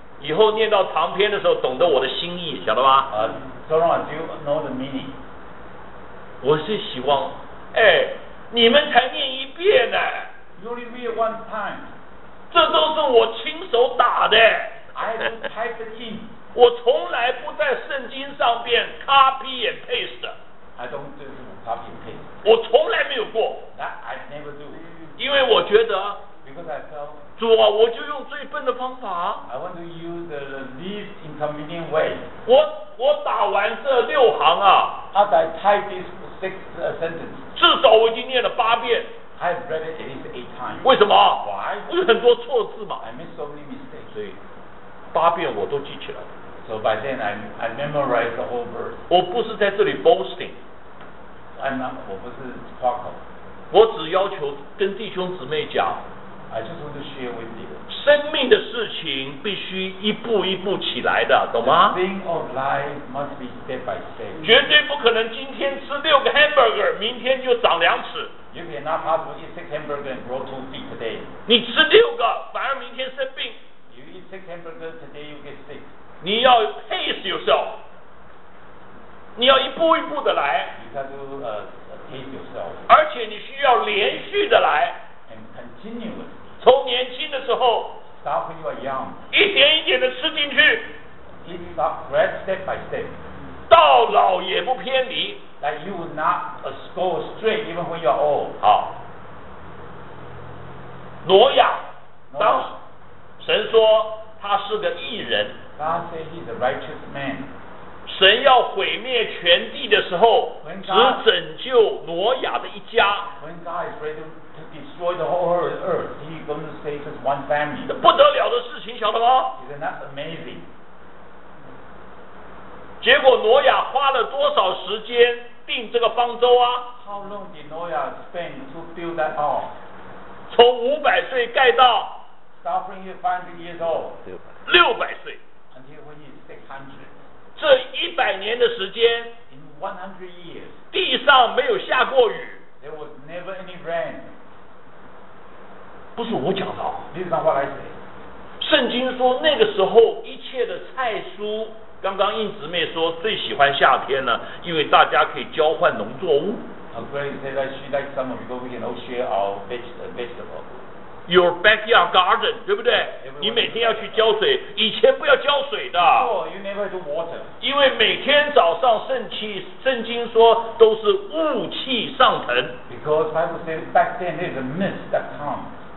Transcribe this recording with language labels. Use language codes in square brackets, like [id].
[zh] 以后念到长篇的时候，懂得我的心意，晓得吧？ [en] So long as you know the meaning. [zh] 我是希望，哎，你们才念一遍呢。 [en] You only read one time. [zh] 这都是我亲手打的。 [en] I have typed in. [zh] 我从来不在圣经上边 [en] copy and paste. I don't do copy and paste. [zh] 我从来没有过。 [en] That I never do. [zh] 因为我觉得 [en] Because I felt [zh] 主啊，我就用最笨的方法。 [en] I want to use the least inconvenient way. [zh] 我打完这六行啊。 [en] After I type this sixth sentence. [zh] 至少我已经念了八遍。 [en] I've read it at least eight times. [zh] 为什么？ [en] Why? [zh] 因为很多错字嘛。 [en] I made so many mistakes. [zh] 所以八遍我都记起来了。 [en] So by then I memorized the whole verse. [zh] 我不是在这里 [en] boasting. [zh] 我不是 [en] talking. [zh] 我只要求跟弟兄姊妹讲。 [en] I just want to share with you. [zh] 生命的事情必须一步一步起来的，懂吗？ [en] The thing of life must be step by step. [zh] 绝对不可能今天吃六个 hamburger， 明天就长两尺。 [en] You cannot possibly eat six hamburgers and grow 2 feet today. [zh] 你吃六个，反而明天生病。 [en] You eat six hamburgers today, you get sick. [zh] 你要 [en] pace yourself. [zh] 你要一步一步的来。 [en] You have to pace yourself. [zh] 而且你需要连续的来。 [en] And continuous. [zh] 从年轻的时候 [en] ，Start when you are young， [zh] 一点一点的吃进去 [en] ，It start right step by step， [zh] 到老也不偏离 [en] ，That you will not go astray even when you are old。 [zh] 好，挪亚， [en] no. [zh] 当神说他是个义人 [en] ，God said he's a righteous man。 [zh] 神要毁灭全地的时候， [en] when God, [zh] 只拯救挪亚的一家。 [en] When God is ready to destroy the whole earth, he is going to save just one family. [zh] 这不得了的事情，晓得吗？ [en] Isn't that amazing? [zh] 结果挪亚花了多少时间定这个方舟啊？ [en] How long did Noah spend to build that ark? [zh] 从500岁盖到， [en] Start when he is 500 years old. [zh] 600岁。 [en] Until when he is 600. [zh] 这一百年的时间 [en] In 100 years, [zh] 地上没有下过雨 [en] There was never any rain. [zh] 不是我讲的 [en] This is not what I say. [zh] 圣经说那个时候一切的菜蔬刚刚应姊妹说最喜欢夏天了因为大家可以交换农作物 [en] I'm glad you said that she likes summer because we can all share our vegetables Your backyard garden, [zh] 对不对？你每天要去浇水，以前不要浇水的。 [en] You never do water. [zh] 因为每天早上圣经说都是雾气上腾。 [en] Because Bible says back then there's a mist that comes.